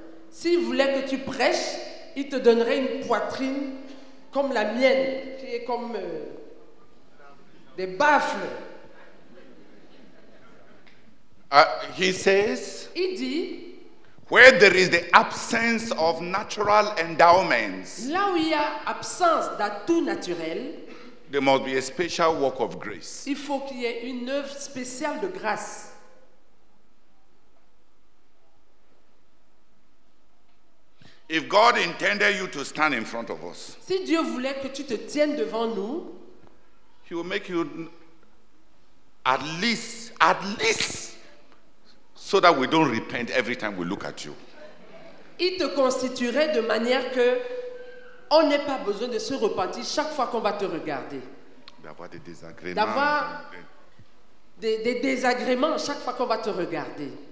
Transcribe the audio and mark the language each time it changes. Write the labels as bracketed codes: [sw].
[fr] S'il voulait que tu prêches, il te donnerait une poitrine comme la mienne, qui est comme des baffles. Il dit [en] where there is the absence of natural endowments, [fr] là où il y a absence d'atouts naturels, [en] there must be a special work of grace. [fr] Il faut qu'il y ait une œuvre spéciale de grâce. [en] If God intended you to stand in front of us, [fr] si Dieu voulait que tu te tiennes devant nous, [en] he will make you at least so that we don't repent every time we look at you. [fr] Il te constituerait de manière que on n'ait pas besoin de se repentir chaque fois qu'on va te regarder. D'avoir des désagréments. D'avoir des désagréments chaque fois qu'on va te regarder.